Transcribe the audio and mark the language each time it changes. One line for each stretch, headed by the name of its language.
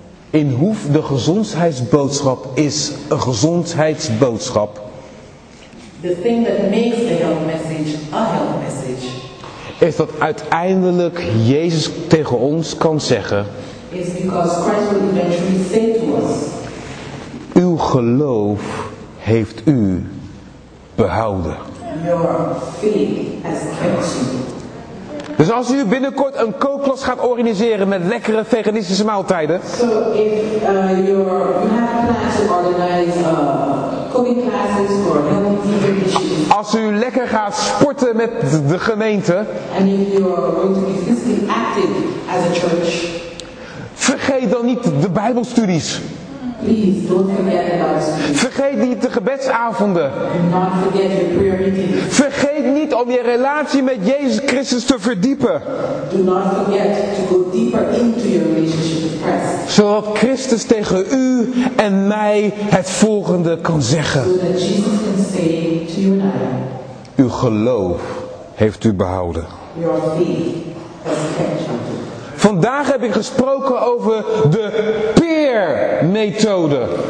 Dutch: In hoef de gezondheidsboodschap is een gezondheidsboodschap.
English: The thing that makes the health message a health message.
Dutch: Is dat uiteindelijk Jezus tegen ons kan zeggen.
English: Is because Christ will eventually say to us.
Dutch: Uw geloof heeft u behouden.
English: Your faith has kept you.
Dutch: Dus als u binnenkort een kookklas gaat organiseren met lekkere veganistische maaltijden.
English: So if you have plans to organize cooking classes for healthy vegan dishes.
Dutch: Als u lekker gaat sporten met de gemeente.
English: And if you are going to be physically active as a church.
Dutch: Vergeet dan niet de Bijbelstudies.
English: Please don't forget about studies.
Dutch: Vergeet niet de gebedsavonden.
English: Do not forget your prayer meetings.
Dutch: Vergeet niet om je relatie met Jezus Christus te verdiepen.
English: Do not forget to go deeper into your relationship with Christ.
Dutch: Zodat Christus tegen u en mij het volgende kan zeggen.
English: So that Jesus can say to you and I.
Dutch: Uw geloof heeft u behouden.
English: Your faith has kept you.
Dutch: Vandaag heb ik gesproken over de peer methode.